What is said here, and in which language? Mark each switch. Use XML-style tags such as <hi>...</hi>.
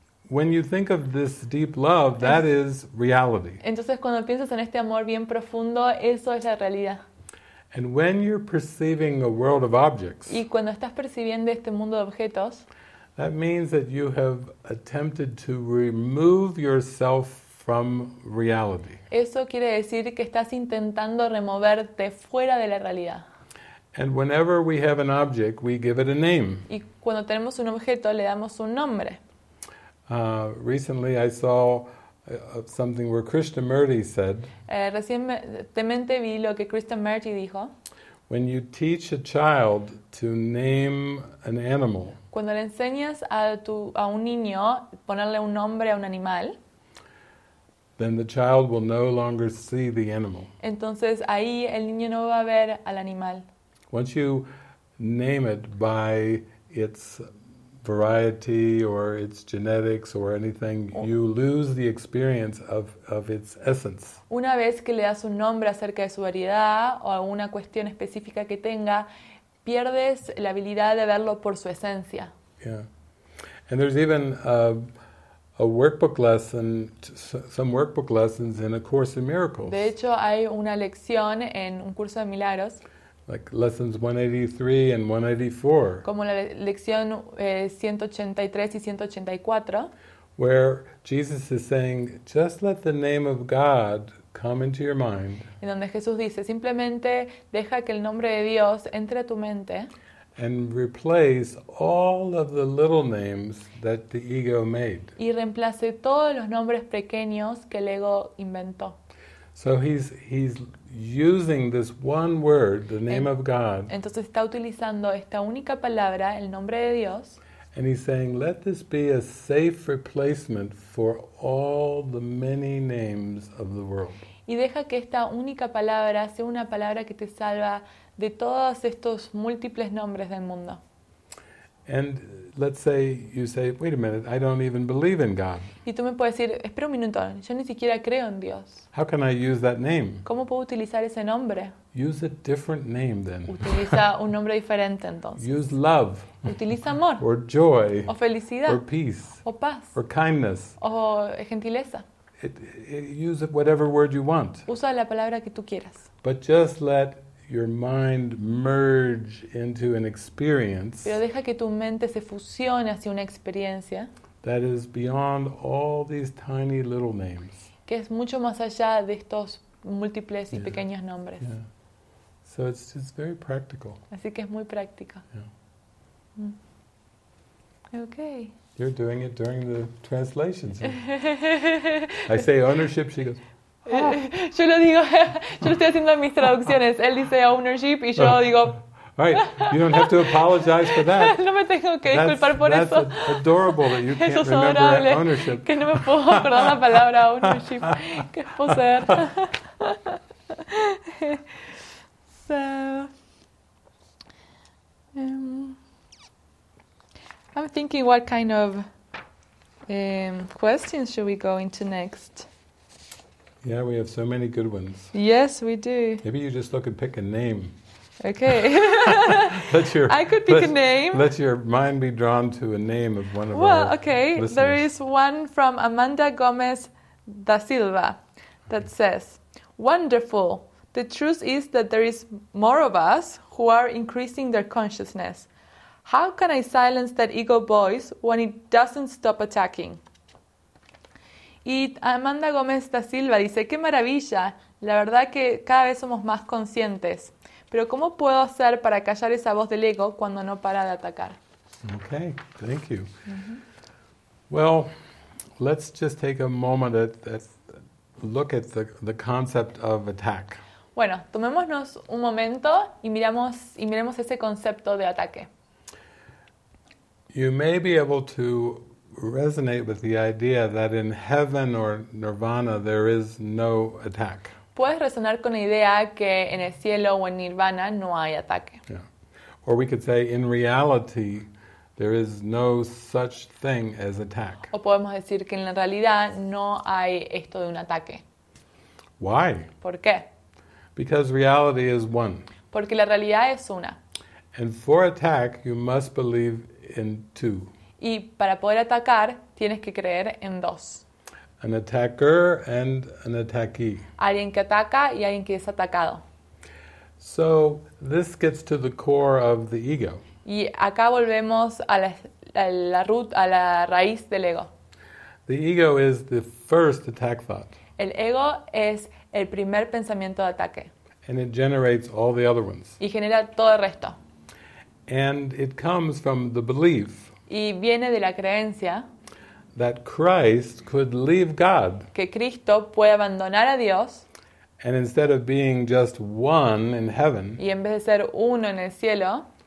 <en>When you think of this deep love, that is reality.</en> <es>Entonces, cuando piensas en este amor bien profundo, eso es la realidad.</es> <en>And when you're perceiving a world of objects,</en> <es>y cuando estás percibiendo este mundo de objetos,</es> <en>that means that you have attempted to remove yourself from reality.</en> <es>Eso quiere decir que estás intentando removerte fuera de la realidad.</es> <en>And whenever we have an object, we give it a name.</en> <es>Y cuando tenemos un objeto, le damos un nombre.</es> <en>Recently, I saw something where Krishnamurti said.</en> <es>Recientemente vi lo que Krishnamurti dijo.</es> <en>When you teach a child to name an animal.</en> <es>Cuando le enseñas a un niño ponerle un nombre a un animal.</es> <en>Then the child will no longer see the animal.</en> <es>Entonces ahí el niño no va a ver al animal.</es> <en>Once you name it by its variety or its genetics or anything, you lose the experience of its essence.</en> <es>Una vez que le das un nombre acerca de su variedad o alguna cuestión específica que tenga, pierdes la habilidad de verlo por su esencia.</es> <en>Yeah. And there's even a workbook lesson, some workbook lessons in A Course in Miracles.</en> <es>De hecho, hay una lección en un curso de milagros.</es> <en>Like lessons 183 and 184.</en> <es>Como la lección 183 y 184.</es> <en>Where Jesus is saying, just let the name of God come into your mind.</en> <es>En donde Jesús dice, simplemente deja que el nombre de Dios entre a tu mente.</es> <en>And replace all of the little names that the ego made.</en> <es>Y reemplace todos los nombres pequeños que el ego inventó.</es> <en>So he's using this one word, the name of God.</en> <es>Entonces está utilizando esta única palabra, el nombre de Dios.</es> <en>And he's saying, let this be a safe replacement for all the many names of the world.</en> <es>Y deja que esta única palabra sea una palabra que te salva de todos estos múltiples nombres del mundo.</es> <en>And let's say you say, wait a minute, I don't even believe in God.</en> <es>Y tú me puedes decir, espera un minuto, yo ni siquiera creo en Dios.</es> <en>How can I use that name?</en> <es>¿Cómo puedo utilizar ese nombre?</es> <en>Use a different name then.</en> <es>Utiliza un nombre diferente entonces.</es> <en>Use love.</en> <es>Utiliza amor.</es> <en>Or joy.</en> <es>O felicidad.</es> <en>Or peace.</en> <es>O paz.</es> <en>Or kindness.</en> <es>O gentileza.</es> <en>Use whatever word you want.</en> <es>Usa la palabra que tú quieras.</es> <en>But just let your mind merge into an experience.</en> <es>Pero deja que tu mente se fusione hacia una experiencia.</es> <en>That is beyond all these tiny little names.</en> <es>Que es mucho más allá de estos múltiples y pequeños nombres.</es> <en>Yeah. So it's very practical.</en> <es>Así que es muy práctico.</es> <en>Yeah. Mm. Okay. You're doing it during the translations. I say ownership, she goes.</en> <es>Yo lo digo, yo lo estoy haciendo en mis traducciones. Él dice ownership y yo digo.</es> <en>Right, you don't have to apologize for that.</en> <es>No me tengo que disculpar por</es> <en>that's</en> <es>eso.</es> <en>That's adorable that you can't remember ownership.</en> <es>Que no me puedo acordar la palabra ownership, que es poseer.</es> <en>So, I'm thinking what kind of questions should we go into next? Yeah, we have so many good ones. Yes, we do. Maybe you just look and pick a name. Okay. I could pick a name. Let your mind be drawn to a name of one of our listeners. Well, okay. There is one from Amanda Gomez da Silva that says, "Wonderful. The truth is that there is more of us who are increasing their consciousness. How can I silence that ego voice when it doesn't stop attacking?"</en> <es>Y Amanda Gómez da Silva dice, qué maravilla, la verdad que cada vez somos más conscientes. Pero ¿cómo puedo hacer para callar esa voz del ego cuando no para de atacar?</es> <en>Okay, thank you. Mm-hmm. Well, let's just take a moment at look at the concept of attack.</en> <es>Bueno, tomémonos un momento y miremos ese concepto de ataque.</es> <en>You may be able to resonate with the idea that in heaven or nirvana there is no attack.</en> <es>Puedes resonar con la idea que en el cielo o en nirvana no hay ataque.</es> <en>Yeah. Or we could say in reality there is no such thing as attack.</en> <es>O podemos decir que en la realidad no hay esto de un ataque.</es> <en>Why?</en> <es>¿Por qué?</es> <en>Because reality is one.</en> <es>Porque la realidad es una.</es> <en>And for attack you must believe in two.</en> <es>Y para poder atacar, tienes que creer en dos.</es> <en>An attacker and an attackee.</en> <es>Alguien que ataca y alguien que es atacado.</es> <en>So, this gets to the core of the ego.</en> <es>Y acá volvemos a la raíz del ego.</es> <en>The ego is the first attack thought.</en> <es>El ego es el primer pensamiento de ataque.</es> <en>And it generates all the other ones.</en> <es>Y genera todo el resto.</es> <en>And it comes from the belief.</en> <es>Y viene de la creencia</es> <en>that Christ could leave God,</en> <es>que Cristo puede abandonar a Dios,</es> <en>and instead of being just one in heaven,</en> <es>y en vez de ser uno en el cielo,</es>